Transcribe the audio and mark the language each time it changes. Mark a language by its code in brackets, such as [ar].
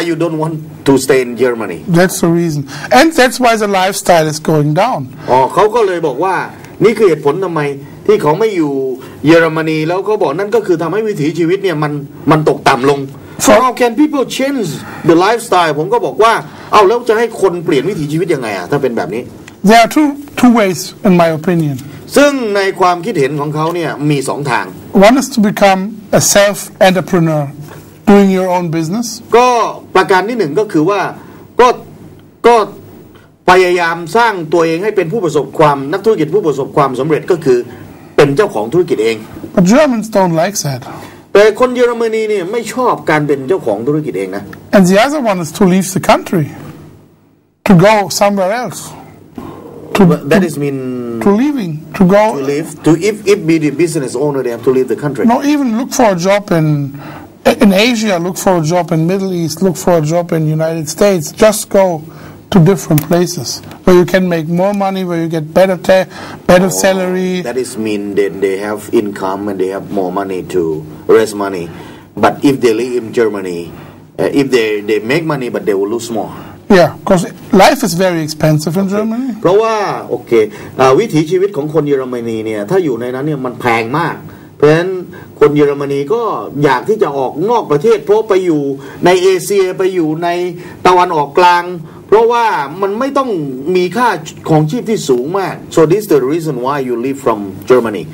[en] why you don't want to stay in Germany that's the reason and that's why the lifestyle is going down [th] อ๋อเขาก็เลยบอกว่านี่คือเหตุผลทำไมที่เขาไม่อยู่เยอรมนีแล้วเขาบอกนั่นก็คือทำให้วิถีชีวิตเนี่ยมันตกต่ำลง [en] so how can people change the lifestyle [th] ผมก็บอกว่าเอาแล้วจะให้คนเปลี่ยนวิถีชีวิตยังไงอะถ้าเป็นแบบนี้ [en] there are two ways in my opinion [th] ซึ่งในความคิดเห็นของเขาเนี่ยมี2ทาง [en] One is to become a self entrepreneur doing your own business [th] ก็ประการที่1ก็คือว่าก็พยายามสร้างตัวเองให้เป็นผู้ประสบความนักธุรกิจผู้ประสบความสําเร็จก็คือเป็นเจ้าของธุรกิจเอง [en] But Germans don't like that [th] แต่คนเยอรมนีเนี่ยไม่ชอบการเป็นเจ้าของธุรกิจเองนะ [en] And the other one is to leave the country to go somewhere else That is mean to leaving to go to leave to if be the business owner they have to leave the country. No, even look for a job in Asia, look for a job in Middle East, look for a job in United States. Just go to different places where you can make more money, where you get better salary. That is mean then they have income and they have more money to raise money. But if they live in Germany, if they make money, but they will lose more. Yeah, because life is very expensive in Germany. [th] เพราะว่าโอเควิถีชีวิตของคนเยอรมนีเนี่ยถ้าอยู่ในนั้นเนี่ยมันแพงมากเพราะฉะนั้นคนเยอรมนีก็อยากที่จะออกนอกประเทศเพราะไปอยู่ในเอเชียไปอยู่ในตะวันออกกลางเพราะว่ามันไม่ต้องมีค่าของชีพที่สูงมาก [en] So this is the reason why you leave from Germany.